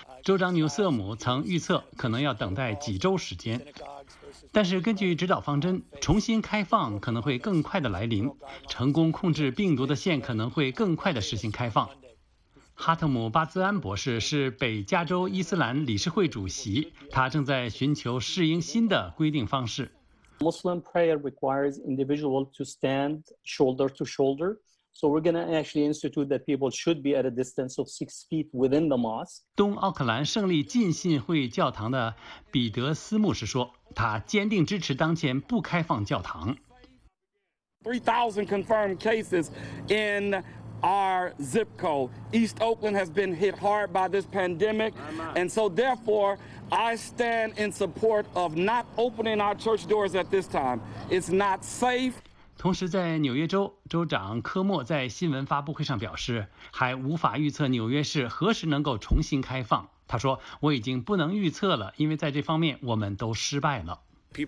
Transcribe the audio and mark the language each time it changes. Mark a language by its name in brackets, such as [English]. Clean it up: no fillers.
[Chinese] 州长纽瑟姆曾预测可能要等待几周时间，但是根据指导方针，重新开放可能会更快的来临，成功控制病毒的县可能会更快的实行开放。哈特姆·巴兹安博士是北加州伊斯兰理事会主席，他正在寻求适应新的规定方式。 [English] Muslim prayer requires individual to stand shoulder to shoulder, so we're going to actually institute that people should be at a distance of 6 feet within the mosque. [Chinese] 东奥克兰胜利浸信会教堂的彼得斯牧师说，他坚定支持当前不开放教堂。 [English] 3,000 confirmed cases in. Our zip code, East Oakland, has been hit hard by this pandemic, and so therefore, I stand in support of not opening our church doors at this time. It's not safe. [Chinese] 同时，在纽约州，州长科莫在新闻发布会上表示，还无法预测纽约市何时能够重新开放。他说：“我已经不能预测了，因为在这方面我们都失败了。”